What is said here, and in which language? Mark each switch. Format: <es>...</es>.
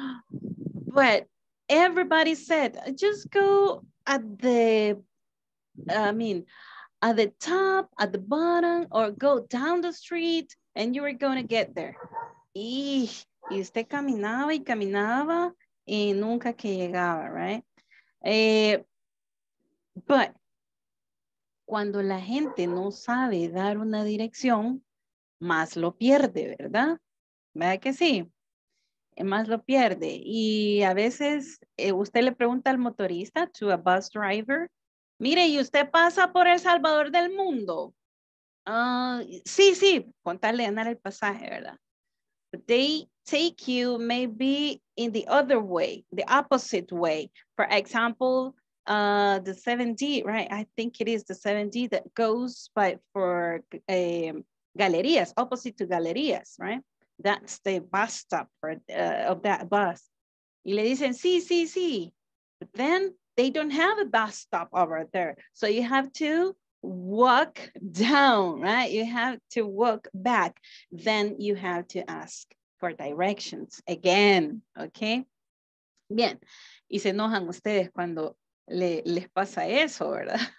<en>But everybody said, just go at the, at the top, at the bottom, or go down the street, and you are going to get there.</en> <es>Y usted caminaba y caminaba y nunca que llegaba, right? But cuando la gente no sabe dar una dirección, más lo pierde, ¿verdad? ¿Verdad que sí? Más lo pierde. Y a veces usted le pregunta al motorista,</es> <en>to a bus driver,</en> <es>mire, ¿y usted pasa por El Salvador del Mundo? Sí, sí, con tal de ganar el pasaje, ¿verdad?</es> <en>But they take you maybe in the other way, the opposite way. For example, the 7D, right? I think it is the 7D that goes by for galerías, opposite to galerías, right? That's the bus stop for, of that bus.</en> <es>Y le dicen, sí, sí, sí.</es> <en>But then they don't have a bus stop over there. So you have to walk down, right? You have to walk back. Then you have to ask for directions again, okay?</en> <es>Bien. Y se enojan ustedes cuando les pasa eso, ¿verdad?</es>